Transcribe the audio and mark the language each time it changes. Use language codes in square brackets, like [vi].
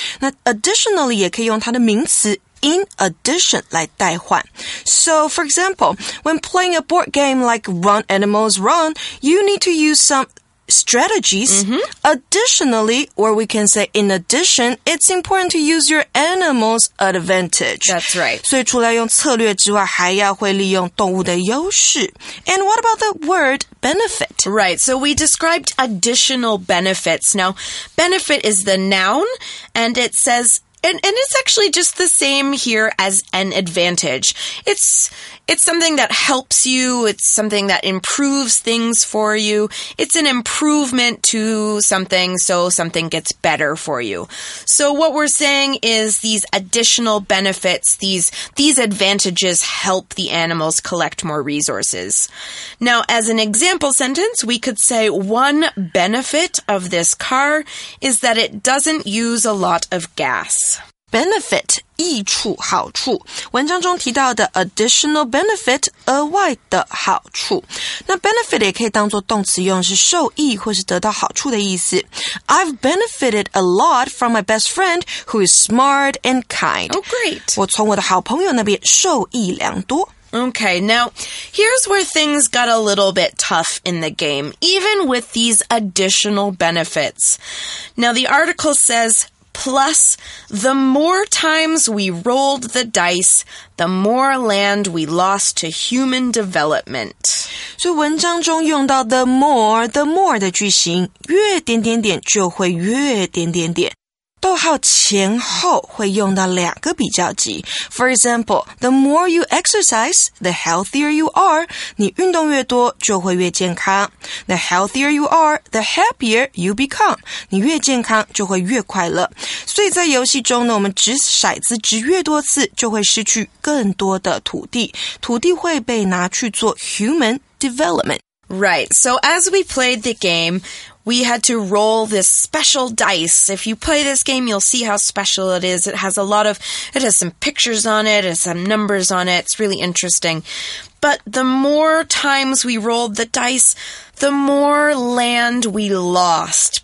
[zh] 那 additionally 也可以用它的名词in addition 来代换。 [en] So, for example, when playing a board game like Run Animals Run, you need to use some strategies. Mm-hmm. Additionally, or we can say in addition, it's important to use your animal's advantage. That's right. [zh] 所以除了用策略之外，还要会利用动物的优势。 [en] And what about the word benefit? Right, so we described additional benefits. Now, benefit is the noun, and it says, And it's actually just the same here as an advantage. It's something that helps you. It's something that improves things for you. It's an improvement to something, so something gets better for you. So what we're saying is these additional benefits, these advantages help the animals collect more resources. Now, as an example sentence, we could say one benefit of this car is that it doesn't use a lot of gas. [zh] benefit, 益处好处。文章中提到的 additional benefit, 额外的好处。那 benefit 也可以当作动词用，是受益或是得到好处的意思。 [en] I've benefited a lot from my best friend who is smart and kind. Oh, great. [zh] 我从我的好朋友那边受益良多。 [en] Okay, now, here's where things got a little bit tough in the game, even with these additional benefits. Now, the article says, plus, the more times we rolled the dice, the more land we lost to human development. [zh] 所以文章中用到 the more 的句型，越点点点就会越点点点。逗号前后会用到两个比较级。 [en] For example, the more you exercise, the healthier you are. [zh] 你运动越多就会越健康。 [en] The healthier you are, the happier you become. [zh] 你越健康就会越快乐。所以在游戏中呢，我们掷骰子掷越多次就会失去更多的土地。土地会被拿去做 human development. [en] Right, so as we played the game,We had to roll this special dice. If you play this game, you'll see how special it is. It has some pictures on it, it has some numbers on it. It's really interesting. But the more times we rolled the dice, the more land we lost.